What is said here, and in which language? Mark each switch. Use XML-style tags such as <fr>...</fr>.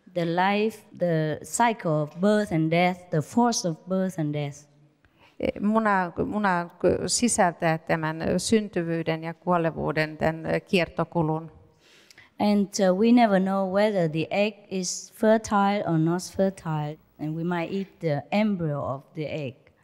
<en>the life, the cycle of birth and death, the force of birth and death.</en> <fi>Muna sisältää tämän syntyvyyden ja kuolevuuden tämän kiertokulun.</fi> <en>And we never know whether the egg is fertile or not fertile, and we might eat the embryo of the egg.</en>